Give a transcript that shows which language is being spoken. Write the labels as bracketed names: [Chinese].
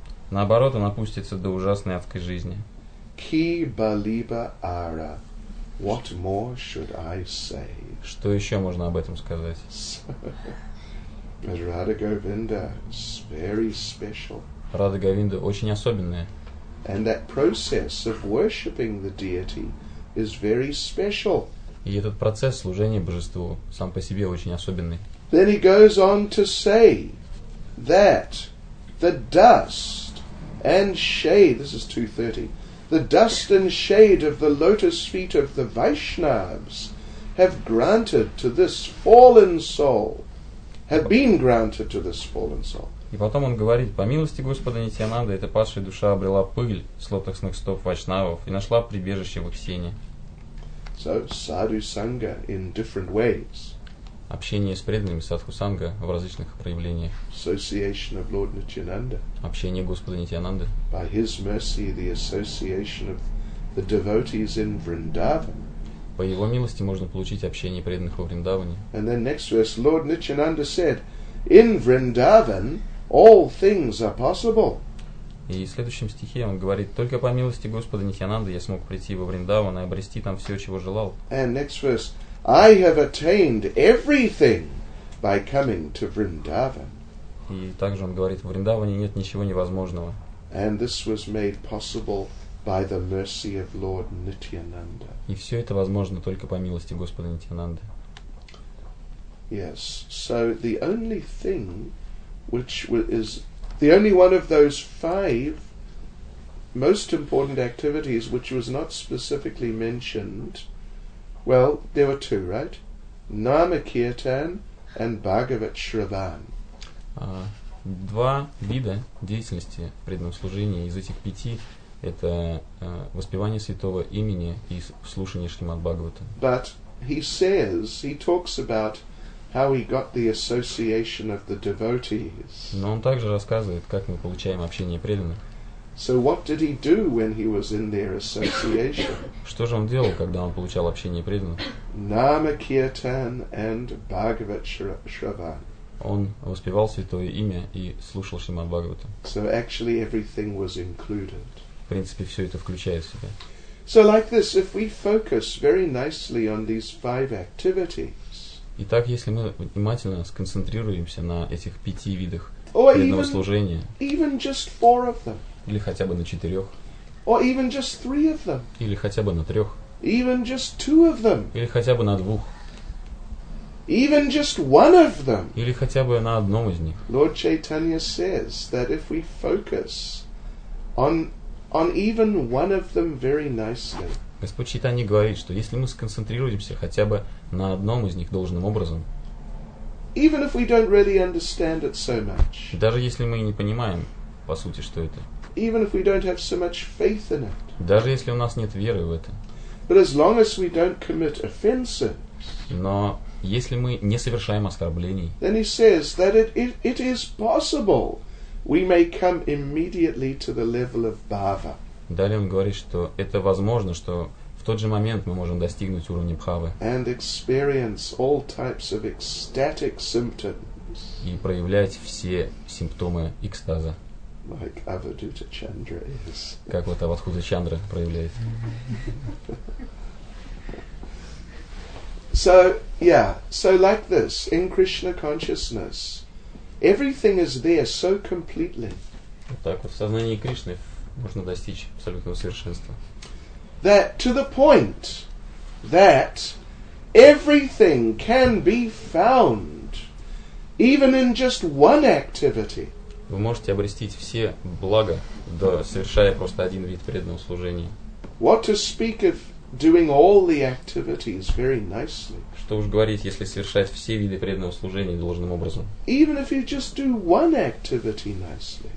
[Russian] Наоборот, он опустится до ужасной адской жизни. [Bangla] Ki baliba ara. [English] What more should I say? [Russian] Что еще можно об этом сказать? [English] So, Radha Govinda is very special. [Russian] Радха Говинда очень особенная. [English] And that process of worshipping the deity is very special. [Russian] И этот процесс служения божеству сам по себе очень особенный. [English] Then he goes on to say that the dust and shade, this is 230, the dust and shade of the lotus feet of the Vaishnavas have granted to this fallen soul, have been granted to this fallen soul. [Russian] И потом он говорит, по милости Господа Нитьянанды, эта падшая душа обрела пыль с лотосных стоп вайшнавов и нашла прибежище в их сене. [English] So, sadhu sangha in different ways. [Russian] Общение с преданными садху санга в различных проявлениях. [English] Association of Lord Nityananda. [Russian] Общение Господа Нитьянанды. [English] By His mercy, the association of the devotees in Vrindavan. [Russian] По Его милости можно получить общение преданных во Вриндаване. [English] And then next verse, Lord Nityananda said, in Vrindavan, all things are possible. [Russian] И в следующем стихе он говорит, только по милости Господа Нитьянанды я смог прийти во Вриндаван и обрести там все, чего желал. [English] And next verse, I have attained everything by coming to Vrindavan. [Russian] И также он говорит, в Вриндаване нет ничего невозможного. [English] And this was made possible by the mercy of Lord Nityananda. [Russian] И все это возможно только по милости Господа Нитьянанды. [English] Yes, so the only thing which is the only one of those five most important activities which was not specifically mentioned, well, there were two, right? Nama Kirtan and Bhagavat Shravan. [Russian] Два вида деятельности в преданном служении из этих пяти это воспевание святого имени и слушание Шримад Бхагавата. [English] But he says, he talks about how he got the association of the devotees. [Russian] Но он также рассказывает, как мы получаем общение преданных. [English] So what did he do when he was in their association? [Russian] Что же он делал, когда он получал общение преданных? [English] Nama Kirtan and Bhagavat Shravan. [Russian] Он воспевал святое имя и слушал Шримад Бхагавата. [English] So actually everything was included. [Russian] В принципе, все это включает в себя. [English] So like this, if we focus very nicely on these five activities, [Russian] итак, если мы внимательно сконцентрируемся на этих пяти видах преданного служения, [English] even just four of them, [Russian] или хотя бы на четырех, [English] or even just three of them, [Russian] или хотя бы на трех, [English] even just two of them, [Russian] или хотя бы на двух, [English] even just one of them, [Russian] или хотя бы на одном из них. [English] Lord Chaitanya says that if we focus on even one of them very nicely, [Russian] Господь Чайтанья говорит, что если мы сконцентрируемся хотя бы на одном из них должным образом, [English] even if we don't really understand it so much, [Russian] даже если мы не понимаем, по сути, что это, [English] even if we don't have so much faith in it, [Russian] даже если у нас нет веры в это, [English] but as long as we don't commit offenses, [Russian] но если мы не совершаем оскорблений, [English] then he says that it is possible we may come immediately to the level of bhava. [Russian] Далее он говорит, что это возможно, что в тот же момент мы можем достигнуть уровня бхавы. [English] And experience all types of ecstatic symptoms. [Russian] И проявлять все симптомы экстаза. [English] Like Avadhuta Chandra is. [Russian] Как вот Авадхута Чандра проявляет. [English] So, yeah, so like this, in Krishna consciousness, everything is there so completely. [Russian] Вот так вот, в сознании Кришны можно достичь абсолютного совершенства. [English] That to the point that everything can be found even in just one activity. [Russian] Вы можете обрести все блага, да, совершая просто один вид преданного служения. [English] What to speak of doing all the activities very nicely. [Russian] Что уж говорить, если совершать все виды преданного служения должным образом. [English] Even if you just do one activity nicely.